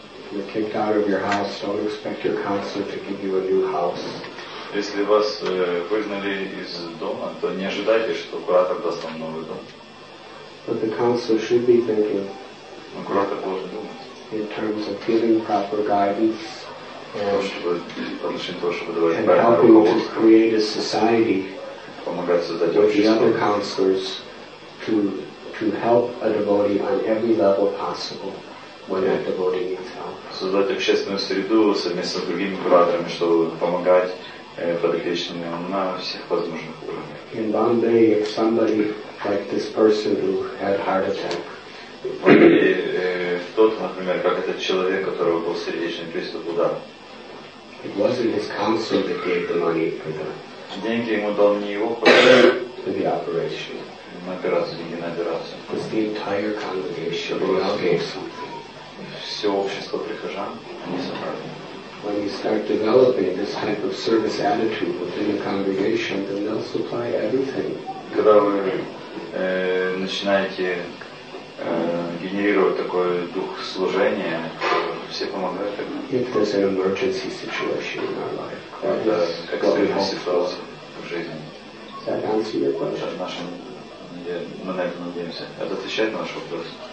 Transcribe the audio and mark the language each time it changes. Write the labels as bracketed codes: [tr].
[en] You're kicked out of your house, don't expect your counselor to give you a new house. [ru] Если вас выгнали из дома, то не ожидайте, что куратор даст вам новый дом. [en] But the counselor should be thinking. [ru] Но куратор должен думать. [en] In terms of giving proper guidance. And helping to create a society with the other counselors to help a devotee on every level possible when that devotee needs help. [ru] Создать общественную среду совместно с другими кураторами, чтобы помогать подопечным на всех возможных уровнях. [en] In Bombay, if somebody like this person who had heart attack. [ru] Тот, например, как этот человек, которого был сердечный приступ, удар. [en] It wasn't his counselor that gave the money for the. [ru] Деньги ему дал не его хозяин. [en] For the operation. [ru] На операцию, деньги на операцию. [en] Was the entire congregation. They all gave something. [ru] Все общество прихожан, они собрали. [en] When you start developing this type of service attitude within the congregation, then they'll supply everything. [ru] Когда вы начинаете генерировать такой дух служения, все помогают тогда. [en] If there's an emergency situation in our life, that is [ru] экстренная ситуация в жизни. [en] Does that answer your question? [ru] Мы на это надеемся. Это отвечает на ваш вопрос?